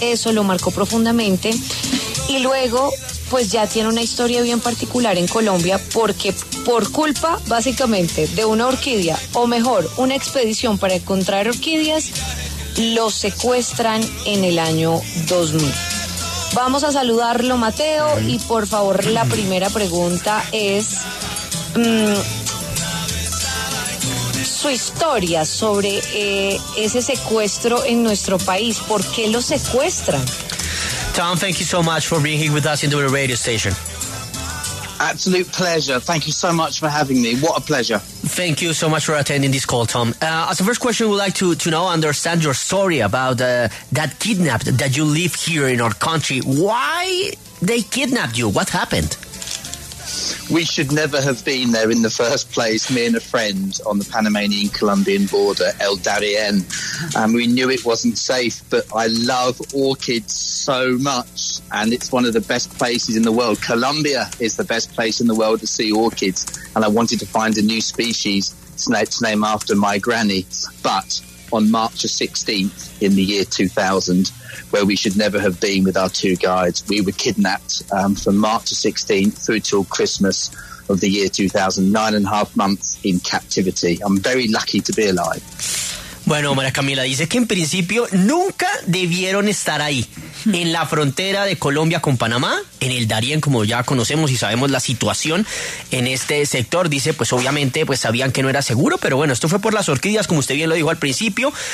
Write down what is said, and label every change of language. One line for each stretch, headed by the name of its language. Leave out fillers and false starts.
Spanish: Eso lo marcó profundamente, y luego pues ya tiene una historia bien particular en Colombia, porque por culpa básicamente de una orquídea, o mejor, una expedición para encontrar orquídeas, lo secuestran en el año 2000. Vamos a saludarlo, Mateo, y por favor, la primera pregunta es su historia sobre ese secuestro en nuestro país. ¿Por qué lo secuestran?
English: Tom, thank you so much for being here with us into the radio station. Absolute pleasure. Thank you so much for having me. What a pleasure. Thank you so much for attending this call, Tom. As a first question, we'd like to know, understand your story about that kidnapped, that you live here in our country. Why they kidnapped you? What happened? We should never have been there in the first place, me and a friend, on the Panamanian-Colombian border, El Darién. We knew it wasn't safe, but I love orchids so much, and it's one of the best places in the world. Colombia is the best place in the world to see orchids, and I wanted to find a new species to name after my granny. But on March the 16th in the year 2000, where we should never have been with our two guides, we were kidnapped from March the 16th through till Christmas of the year 2000, 9.5 months in captivity. I'm very lucky to be alive.
Spanish: Bueno, María Camila dice que en principio nunca debieron estar ahí, en la frontera de Colombia con Panamá, en el Darién, como ya conocemos y sabemos la situación en este sector. Dice, pues obviamente, pues sabían que no era seguro, pero bueno, esto fue por las orquídeas, como usted bien lo dijo al principio.